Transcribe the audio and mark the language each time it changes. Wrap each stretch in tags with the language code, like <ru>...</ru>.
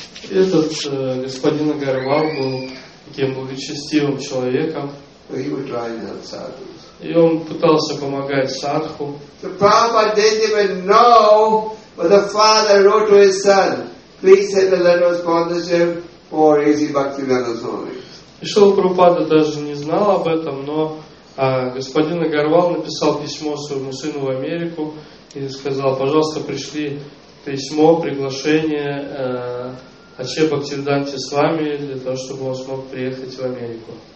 <ru>Этот господин Агарвал был таким благочестивым человеком. И он пытался помогать садху.</ru> <en>So Prabhupada didn't even know what the father wrote to his son. Please send a letter of sponsorship for AC Bhaktivinoda Swami.</en> <ru>Шрила Прабхупада даже не знал об этом, но господин Агарвал написал письмо своему сыну в Америку и сказал: пожалуйста, пришли письмо, приглашение Аче Бхактивиданте с вами для того, чтобы он смог приехать в Америку.</ru>